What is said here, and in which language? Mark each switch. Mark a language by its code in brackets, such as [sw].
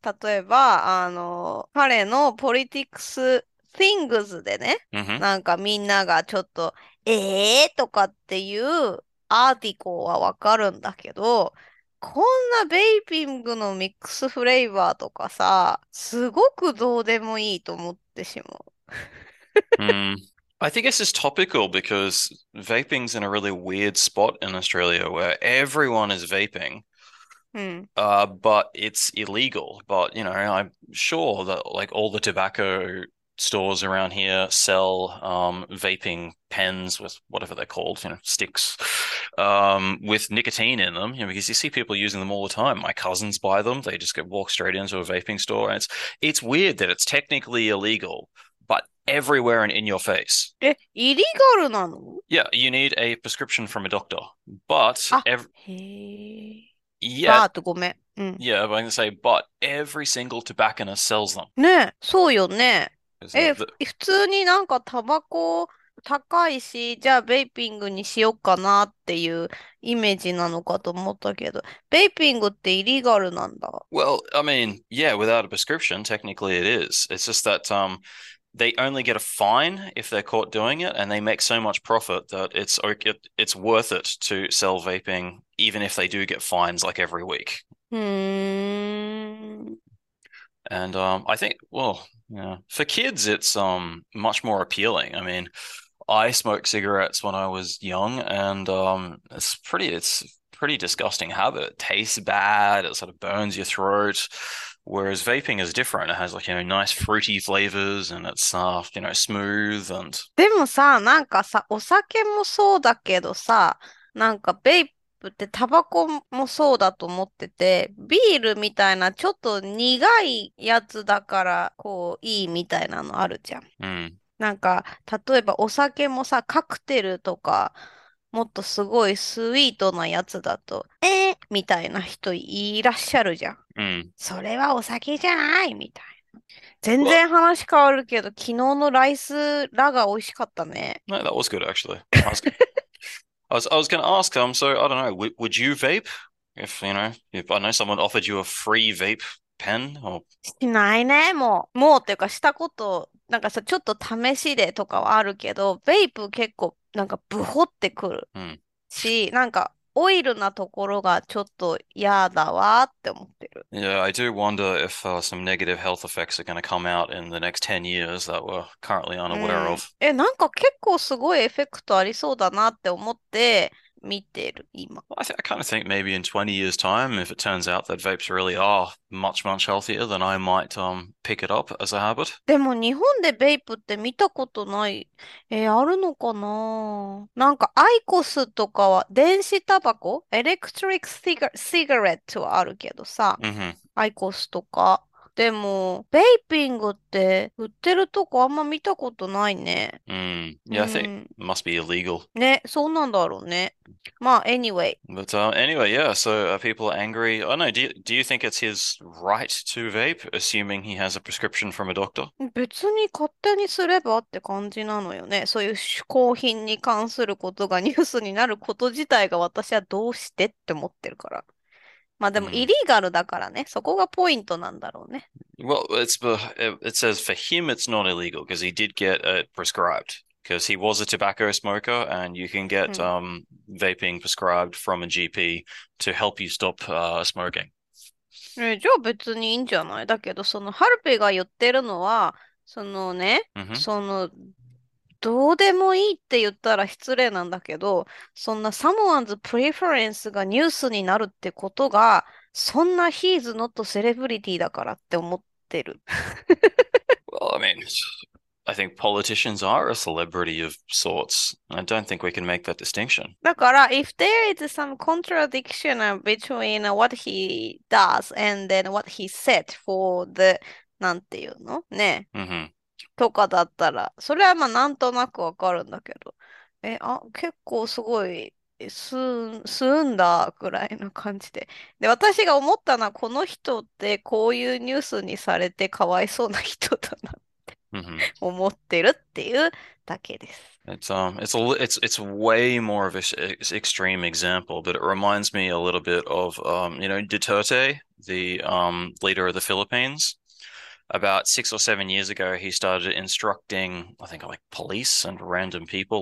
[ja] 例えば、彼の、ポリティクス・ティングズでね、なんか、みんながちょっと、ええー、とかっていうアーティコはわかるんだけど、こんなベイピングのミックスフレーバーとかさ、すごくどうでもいいと思ってしまう。 [en] I think this is topical because vaping's in a really weird spot in Australia where everyone is vaping, but it's illegal. But I'm sure that all the tobacco stores around here sell vaping pens with whatever they're called, sticks, with nicotine in them, because you see people using them all the time. My cousins buy them, they just walk straight into a vaping store, and it's weird that it's technically illegal, but everywhere and in your face. [ja] え、イリガルなの？ [en] Yeah, you need a prescription from a doctor. But every [ja] へえ。 [en] yeah, [ja] バーってごめん。うん。 [en] yeah, but I can say, but every single tobacconist sells them. [ja] ねえ、そうよね。 [en] Is [ja] え、 [en] that the [ja] 普通になんかタバコ高いし、じゃあベイピングにしようかなっていうイメージなのかと思ったけど、ベイピングってイリガルなんだ。 [en] Well, I mean, yeah, without a prescription, technically it is. It's just that they only get a fine if they're caught doing it, and they make so much profit that it's worth it to sell vaping, even if they do get fines like every week. And I think, well, for kids, it's much more appealing. I mean, I smoked cigarettes when I was young, and it's pretty disgusting habit. It tastes bad. It sort of burns your throat. Whereas vaping is different. It has nice fruity flavors and it's smooth and [ja] でもさ、なんかさ、お酒もそうだけどさ、なんかベイってタバコもそうだと思ってて、ビールみたいなちょっと苦いやつだからこういいみたいなのあるじゃん。なんか例えばお酒もさ、カクテルとかもっとすごいスイートなやつだと、みたいな人いらっしゃるじゃん。それはお酒じゃないみたいな。全然話変わるけど、昨日のライスラが美味しかったね。 [en] No, that was good actually. I was going to ask them, so I don't know, would you vape if I know someone offered you a free vape pen or [ja] しないね、もう。もうっていうか、したこと、なんかさ、ちょっと試しでとかはあるけど、ベイプ結構、なんか、ブホってくるし、なんか、オイルなところがちょっと嫌だわって思ってる。 [en] Yeah, I do wonder if some negative health effects are going to come out in the next 10 years that we're currently unaware of. [ja] え、なんか結構すごいエフェクトありそうだなって思って見てる、今。 [en] Well, I kind of think maybe in 20 years' time, if it turns out that vapes really are much, much healthier, then I might pick it up as a habit. [ja] でも日本でベイプって見たことない。あるのかな？なんかアイコスとかは電子タバコ？エレクトリックシガレットはあるけどさ。アイコスとか。でも、ベイピングって売ってるとこあんま見たことないね。 [en] Yeah, I think it must be illegal. [ja] ね、そうなんだろうね。まあ、anyway。 [en] But anyway, yeah, so are people angry? Oh no, do you think it's his right to vape, assuming he has a prescription from a doctor? [ja] 別に勝手にすればって感じなのよね。そういう嗜好品に関することがニュースになること自体が私はどうしてって思ってるから。まあでもイリーガルだからね。そこがポイントなんだろうね。 [en] Well, it says for him it's not illegal because he did get it prescribed because he was a tobacco smoker and you can get vaping prescribed from a GP to help you stop smoking. [ja] え、じゃあ別にいいんじゃない？だけど、そのハルピが言ってるのは、そのね、その、どうでもいいって言ったら失礼なんだけど、そんな [en] サモアンズプレファレンス [ja] がニュースになるってことが、そんな [en] ヒーズノットセレブリティ [ja] だからって思ってる。 [en] Well, I mean, I think politicians are a celebrity of sorts. I don't think we can make that distinction. [ja] だから、 [en] if there is some contradiction between what he does and then what he said for the, [ja] なんていうのね。とかだったら、それはまあなんとなくわかるんだけど。あ、結構すごい、吸うんだ、くらいの感じで。で、私が思ったのは、この人ってこういうニュースにされてかわいそうな人だな。思ってるっていうだけです。 [en] It's way more of an extreme example, but it reminds me a little bit of, you know, Duterte, the leader of the Philippines. About 6 or 7 years ago, he started instructing, I think, like police and random people.